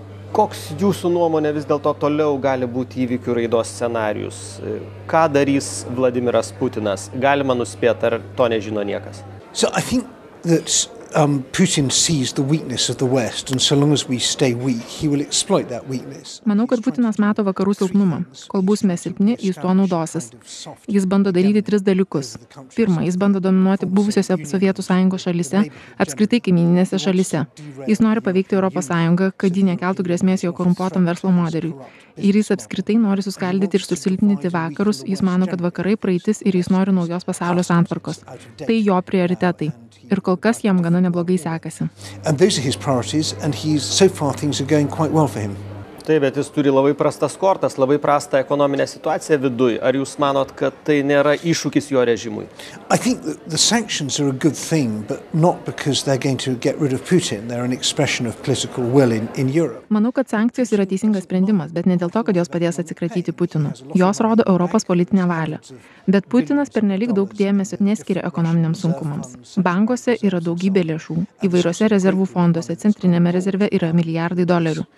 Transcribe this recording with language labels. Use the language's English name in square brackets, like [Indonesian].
[Lithuanian] Koks jūsų nuomonė vis dėlto toliau gali būti įvykių raidos scenarijus? Ką darys Vladimiras Putinas? Galima nuspėti, ar to nežino niekas? [English] So I think that Putin sees the weakness of the West, and so long as we stay weak, he will exploit that weakness. [Lithuanian] Manau, kad Putinas mato vakarų silpnumą. Kol būsime silpni, jis tuo naudosis. Jis bando daryti tris dalykus. Pirma, jis bando dominuoti buvusiose Sovietų Sąjungos šalyse, apskritai kaimyninėse šalyse. Jis nori paveikti Europos Sąjungą, kad ji nekeltų grėsmės jo korumpuotam verslo modeliui. Ir jis apskritai nori suskaldyti ir susilpninti vakarus. Jis mano, kad vakarai praeitis ir jis nori naujos pasaulio santvarkos. Tai jo prioritetai. Ir kol kas jam gana neblogai sekasi. [English] And those are his priorities, and he's so far things are going quite well for him. [Lithuanian] Taip, bet jis turi labai prastas kortas, labai prastą ekonominę situaciją viduj. Ar jūs manot, kad tai nėra iššūkis jo režimui? [English] I think the sanctions are a good thing, but not because they're going to get rid of Putin. They're an expression of political will in Europe. [Lithuanian] Manau, kad sankcijos yra teisingas sprendimas, bet ne dėl to, kad jos padės atsikratyti Putinu. Jos rodo Europos politinę valią. Bet Putinas pernelyg daug dėmesio neskiria ekonominiams sunkumams. Bankuose yra daugybė lėšų, įvairiuose rezervų fonduose, centrinėme rezerve yra milijardai dolerių.